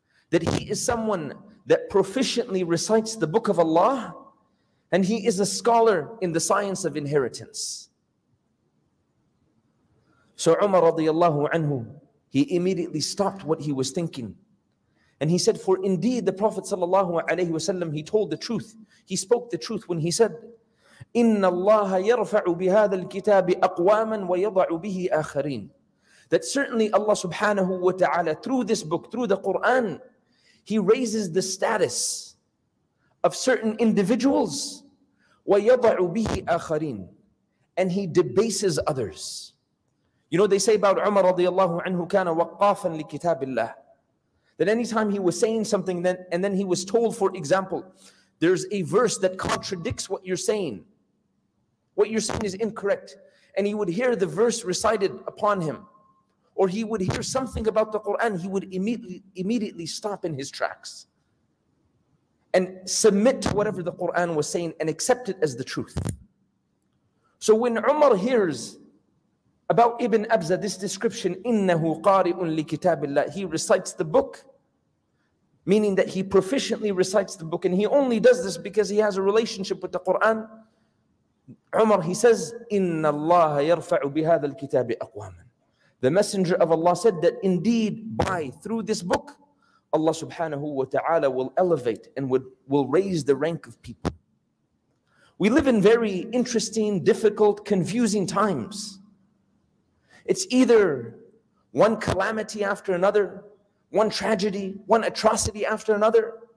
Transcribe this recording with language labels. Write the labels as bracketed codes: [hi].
[en] That he is someone that proficiently recites the book of Allah, and he is a scholar in the science of inheritance. So Umar radiyallahu anhu, he immediately stopped what he was thinking. And he said, for indeed the Prophet sallallahu alayhi wasallam, he told the truth. He spoke the truth when he said, [ar] إِنَّ اللَّهَ يَرْفَعُ بِهَذَا الْكِتَابِ أَقْوَامًا وَيَضَعُ بِهِ آخَرِينَ. [en] That certainly Allah subhanahu wa ta'ala, through this book, through the Quran, He raises the status of certain individuals, [ar] وَيَضَعُ بِهِ آخَرِينَ, [en] and He debases others. You know, they say about Umar radiallahu anhu, [ar] كان وَقَّافًا لِكِتَابِ اللَّهِ. [en] That anytime he was saying something, then he was told, for example, there's a verse that contradicts what you're saying. What you're saying is incorrect. and he would hear the verse recited upon him, or he would hear something about the Quran, he would immediately stop in his tracks and submit to whatever the Quran was saying and accept it as the truth. So when Umar hears about Ibn Abza, this description, [ar] إِنَّهُ قَارِئٌ لِكِتَابِ اللَّهِ, [en] he recites the book, meaning that he proficiently recites the book, and he only does this because he has a relationship with the Quran. Umar, he says, [ar] إِنَّ اللَّهَ يَرْفَعُ بِهَذَا الْكِتَابِ أَقْوَامًا. [en] The Messenger of Allah said that indeed, by, through this book, Allah subhanahu wa ta'ala will elevate and will raise the rank of people. We live in very interesting, difficult, confusing times. It's either one calamity after another, one tragedy, one atrocity after another.